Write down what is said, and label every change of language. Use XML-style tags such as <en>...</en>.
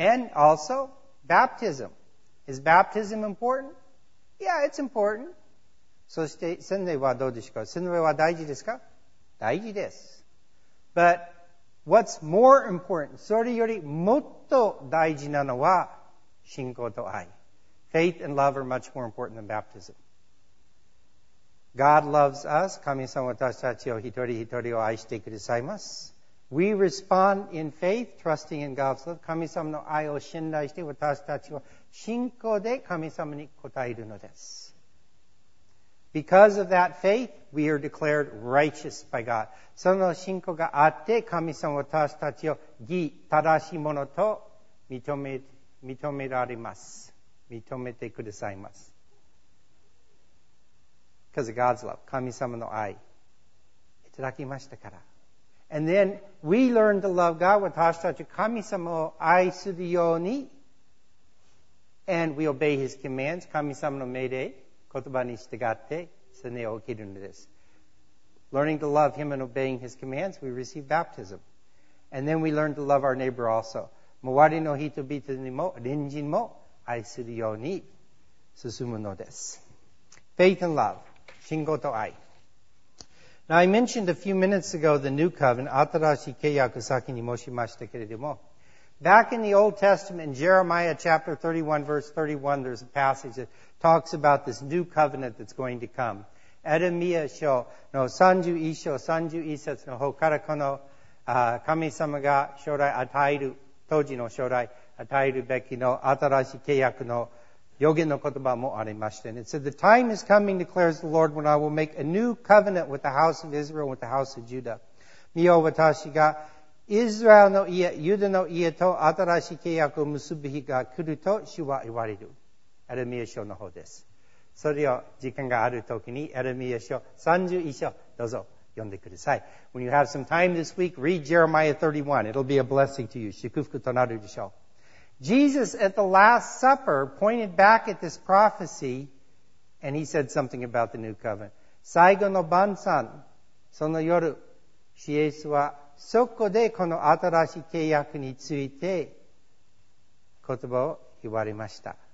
<en>And also, baptism. Is baptism important? Yeah, it's important.</en> <ja>そして、洗礼はどうでしょうか？洗礼は大事ですか？大事です。</ja> <en>But what's more important?</en> <ja>それよりもっと大事なのは信仰と愛。</ja> <en>Faith and love are much more important than baptism. God loves us.</en> <ja>神様は私たちを一人一人を愛してくださいます。</ja> <en>We respond in faith, trusting in God's love.</en> <ja>神様の愛を信頼して私たちは信仰で神様に答えるのです。</ja> <en>Because of that faith, we are declared righteous by God.</en> <ja>その信仰があって神様は私たちを義、正しいものと認められます。認めてくださいます。</ja> <en>Because of God's love,</en> <ja>神様の愛いただきましたから。</ja> <en>And then we learn to love God,</en> <ja>私たち神様を愛するように。</ja> <en>And we obey His commands,</en> <ja>神様の命令、言葉に従って、洗礼を受けるのです。</ja> <en>Learning to love Him and obeying His commands, we receive baptism. And then we learn to love our neighbor also.</en> <ja>周りの人々にも、隣人も愛するように進むのです。</ja> <en>Faith and love.</en> <ja>信仰と愛。</ja> <en>Now, I mentioned a few minutes ago the New Covenant,</en> <ja>新しい契約先に申しましたけれども。</ja> <en>Back in the Old Testament, in Jeremiah chapter 31, verse 31, there's a passage that talks about this New Covenant that's going to come.</en> <ja>エレミア書の31章、31節の方からこの、神様が将来与える、当時の将来与えるべきの新しい契約の予言の言葉もありましたね。</ja> <en>It said, The time is coming, declares the Lord, when I will make a new covenant with the house of Israel, with the house of Judah.</en> <ja>見よ、私が、イスラエルの家、ユダの家と新しい契約を結ぶ日が来ると主は言われる。エレミア書の方です。それを時間があるときに、エレミア書31章、どうぞ読んでください。</ja> <en>When you have some time this week, read Jeremiah 31. It'll be a blessing to you.</en> <ja>祝福となるでしょう。</ja> <en>Jesus at the Last Supper pointed back at this prophecy and he said something about the new covenant.</en> <ja>最後の晩餐、その夜、イエスはそこでこの新しい契約について言葉を言われました。</ja>